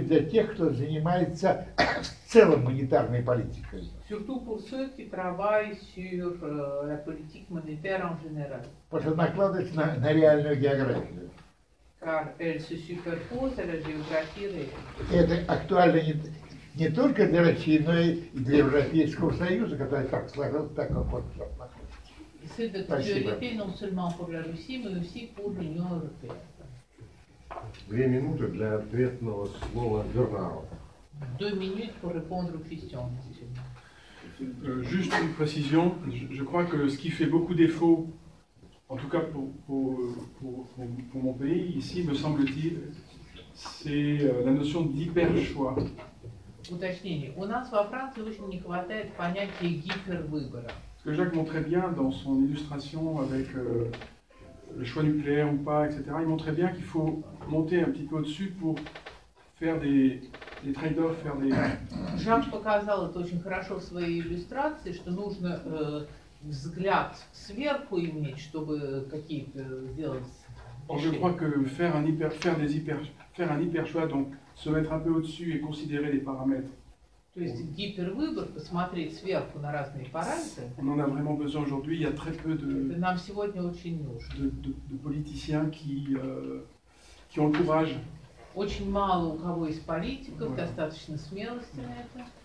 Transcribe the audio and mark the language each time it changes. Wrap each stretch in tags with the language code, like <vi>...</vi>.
<ru>для тех, кто занимается в целом монетарной политикой.</ru> <fr>Surtout pour ceux qui travaillent sur la politique monétaire en général.</fr> <ru>Потому что накладывается на реальную географию.</ru> <fr>Car elle se superpose à la géographie réelle.</fr> <ru>Это актуально не только для России, но и для Европейского Союза, который так сложил, так как он там находится. Две минуты для ответного слова Бернару.</ru> <fr>Deux minutes pour répondre aux questions. Juste une précision, je crois que ce qui fait beaucoup défaut, en tout cas pour mon pays, ici, me semble-t-il, c'est la notion d'hyper-choix.</fr> <ru>Уточнение. У нас во Франции очень не хватает понятия гипервыбора.</ru> <fr>Ce que Jacques montrait bien dans son illustration avec le choix nucléaire ou pas, etc. Il montrait bien qu'il faut monter un petit peu au-dessus pour faire des trade-offs, faire des.</fr> <ru>Jacques показал это очень хорошо в своей иллюстрации, что нужно взгляд сверху иметь, чтобы какие-то сделать.</ru> <fr>Or, je crois que faire un hyper choix, donc se mettre un peu au-dessus et considérer les paramètres.</fr> <ru>То есть гипервыбор, посмотреть сверху на разные параметры.</ru> <fr>On en a vraiment besoin aujourd'hui. Il y a très peu de.</fr> <ru>Нам сегодня очень нужно.</ru> <fr>De politiciens qui ont le courage.</fr> <ru>Очень мало у кого из политиков достаточно смелости на это.</ru>